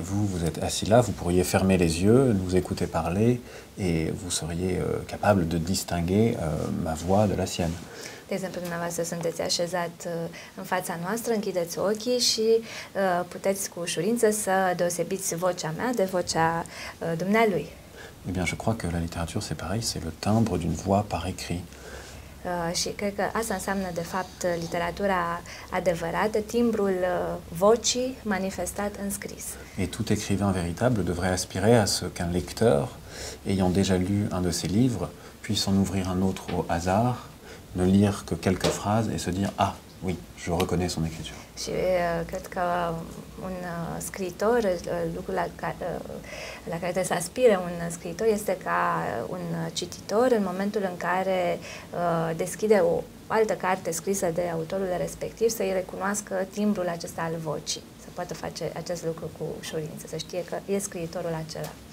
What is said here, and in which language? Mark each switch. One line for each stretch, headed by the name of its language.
French: Vous êtes assis là, vous pourriez fermer les yeux, nous écouter parler, et vous seriez capable de distinguer ma voix de la sienne.
Romanian: De exemplu, dumneavoastră sunteți așezat în fața noastră, închideți ochii și puteți cu ușurință să deosebiți vocea mea de vocea dumnealui.
French: Eh bien, je crois que la littérature, c'est pareil, c'est le timbre d'une voix par écrit.
Romanian: Și cred că asta înseamnă, de fapt, literatura adevărată, timbrul vocii manifestat în scris.
French: Et tout écrivain véritable devrait aspirer à ce qu'un lecteur, ayant déjà lu un de ses livres, puisse en ouvrir un autre au hasard, ne lire que quelques phrases et se dire « Ah, oui, je reconnais son écriture. »
Romanian: Și cred că un scriitor, lucrul la care trebuie să aspire un scriitor este ca un cititor în momentul în care deschide o altă carte scrisă de autorul respectiv să-i recunoască timbrul acesta al vocii, să poată face acest lucru cu ușurință, să știe că e scriitorul acela.